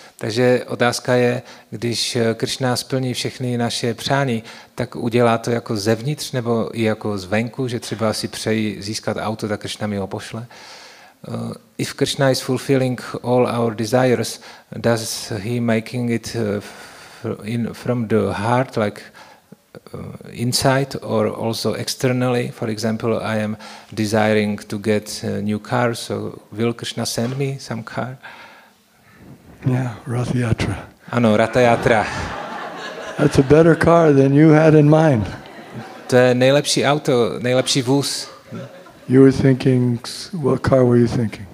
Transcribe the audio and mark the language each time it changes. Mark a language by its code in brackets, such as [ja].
[cs] Takže otázka je, když Krishna splní všechny naše přání, tak udělá to jako zevnitř nebo i jako zvenku, že třeba si přeji získat auto, tak Krishna mi ho pošle. [en] If Krishna is fulfilling all our desires, does he making it from the heart, like inside or also externally? For example, I am desiring to get a new car, so will Krishna send me some car? Yeah, Rath Yatra. [cs] Ano, Ratha Yatra. [en] That's a better car than you had in mind. [cs] To je nejlepší auto, nejlepší vůz. [en] You were thinking, what car were you thinking?